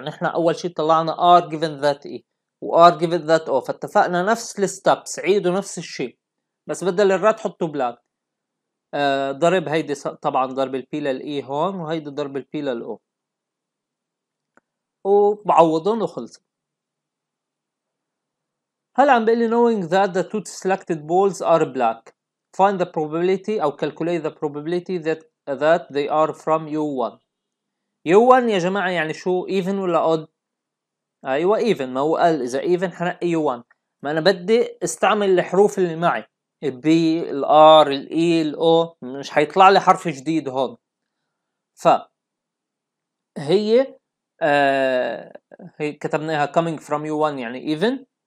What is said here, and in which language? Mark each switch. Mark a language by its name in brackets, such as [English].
[Arabic] نحن اول شيء طلعنا [English] R given that E [Arabic] و [English] R given that O، [Arabic] فاتفقنا نفس الستبس عيدوا نفس الشيء بس بدل الرد حطوا بلاك. ضرب هيدي طبعا ضرب البي للاي هون، وهيدي ضرب البي للاو، وبعوضهم وخلص. هلا عم بيقول لي [English] knowing that the two selected balls are black, find the probability [Arabic] أو [English] calculate the probability that they are from U1. [Arabic] U1 يا جماعة يعني شو؟ even ولا odd؟ أيوة even، ما هو قال إذا even حنقي U1، ما أنا بدي استعمل الحروف اللي معي ال B ال R ال E ال O، مش هيطلع لي حرف جديد هون. فهي هي كتبناها [English] coming from U1 [Arabic] يعني even.